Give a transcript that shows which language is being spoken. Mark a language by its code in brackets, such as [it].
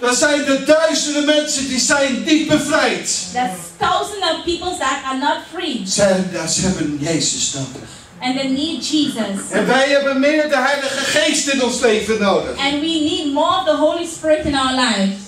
[nl] dan zijn er duizenden mensen die zijn niet bevrijd. [en] There's thousands of people that are not free. [nl] Ze hebben Jezus nodig. [en] And they need Jesus. [nl] En wij hebben meer de Heilige Geest in ons leven nodig. [en] And we need more of the Holy Spirit in our lives.